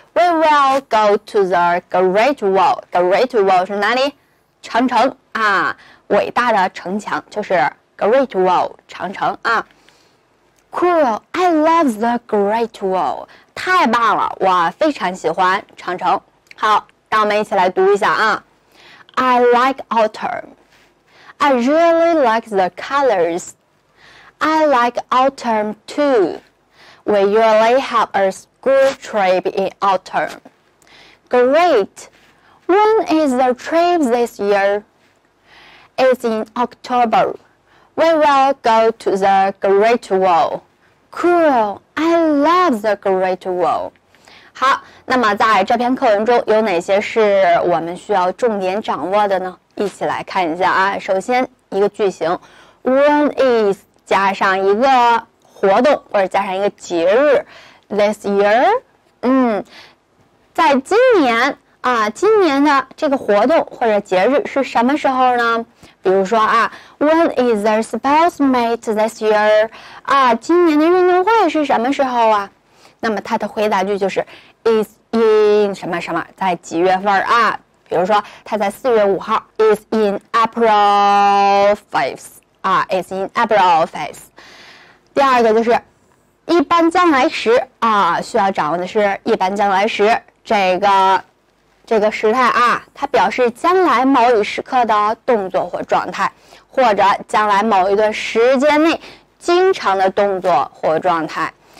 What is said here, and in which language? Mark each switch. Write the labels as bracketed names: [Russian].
[English] We will go to the Great Wall. Great Wall [Chinese] 是哪里？长城啊，伟大的城墙就是Great Wall， 长城啊。 [English] Cool， I love the Great Wall， [Chinese] 太棒了，我非常喜欢长城。好，让我们一起来读一下啊。 [English] I like autumn， I really like the colors， I like autumn too， We usually have a school trip in autumn。 Great， When is the trip this year？ It's in OctoberWe will go to the Great Wall. Cool, I love the Great Wall. [Chinese] 好，那么在这篇课文中有哪些是我们需要重点掌握的呢？一起来看一下啊。首先一个句型 , [English] When is [Chinese] 加上一个活动或者加上一个节日 , [English] This year, [Chinese] 在今年啊，今年的这个活动或者节日是什么时候呢？比如说啊 [English] ,When is the sports meet this year? [Chinese] 啊，今年的运动会是什么时候啊？那么他的回答句就是 , [English] is in [Chinese] 什么什么，在几月份啊？比如说他在4月5号 [English] ,is in April 5th, 啊 ,is in April 5th。 [Chinese] 第二个就是一般将来时啊，需要掌握的是一般将来时这个时态啊，它表示将来某一时刻的动作或状态，或者将来某一段时间内经常的动作或状态。